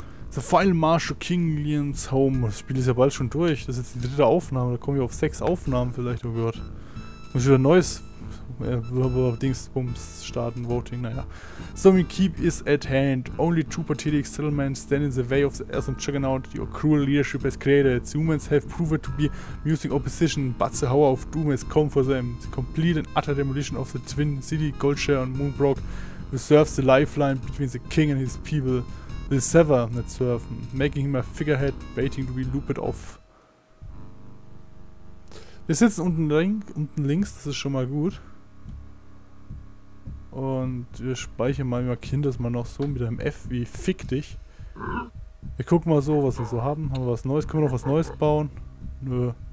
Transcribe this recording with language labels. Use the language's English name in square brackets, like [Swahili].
[English] The Final March of King Lian's Home. [German] Das Spiel ist ja bald schon durch. Das ist jetzt die dritte Aufnahme. Da kommen wir auf 6 Aufnahmen vielleicht, oh Gott. Muss ich wieder neues Dingsbums starten, Voting, naja. [English] Some keep is at hand. Only two pathetic settlements stand in the way of the awesome juggernaut your cruel leadership has created. Humans have proven to be amusing opposition, but the hour of doom has come for them. The complete and utter demolition of the Twin City, Goldshare and Moonbrook, reserves the lifeline between the king and his people. Will sever, not serve, making him a figurehead, waiting to be looped off. [German] Wir sitzen unten links, das ist schon mal gut. Und wir speichern mal, wir markieren das mal noch so mit einem F wie Fick dich. Wir gucken mal so, was wir so haben. Haben wir was Neues? Können wir noch was Neues bauen? Nö.